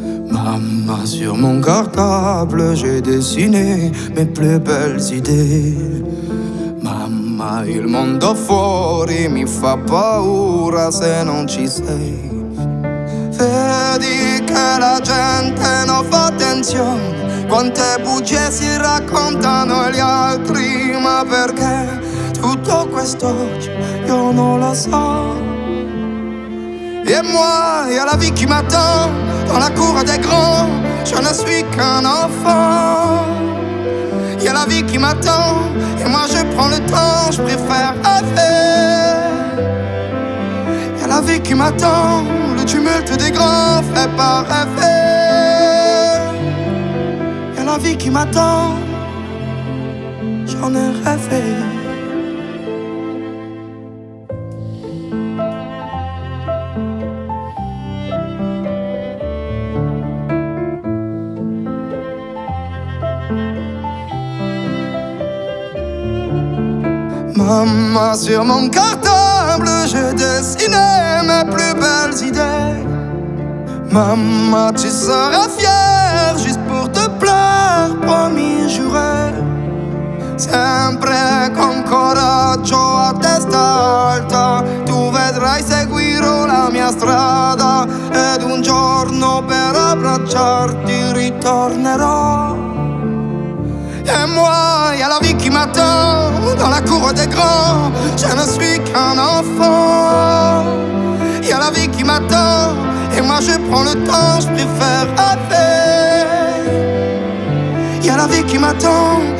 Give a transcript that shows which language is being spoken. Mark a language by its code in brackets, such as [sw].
[fr] Maman, sur mon cartable, j'ai dessiné mes plus belles idées. [it] Maman, il mondo fuori mi fa paura se non ci sei. Vedi che la gente non fa attenzione, quante bugie si raccontano gli altri. Ma perché tutto quest'oggi io non lo so. [fr] Et moi, il y a la vie qui m'attend dans la cour des grands, je ne suis qu'un enfant. Il y a la vie qui m'attend et moi je prends le temps, je préfère rêver. Il y a la vie qui m'attend, le tumulte des grands fait pas rêver. Il y a la vie qui m'attend, j'en ai rêvé. Maman, sur mon cartable, je dessinais mes plus belles idées. Maman, tu seras fière juste pour te plaire, promis juré. [it] Sempre con coraggio a testa alta, tu vedrai seguirò la mia strada. Ed un giorno per abbracciarti ritornerò. [fr] Et moi, y a la vie qui m'attend dans la cour des grands. Je ne suis qu'un enfant. Y a la vie qui m'attend et moi je prends le temps. Je préfère rêver. Y a la vie qui m'attend.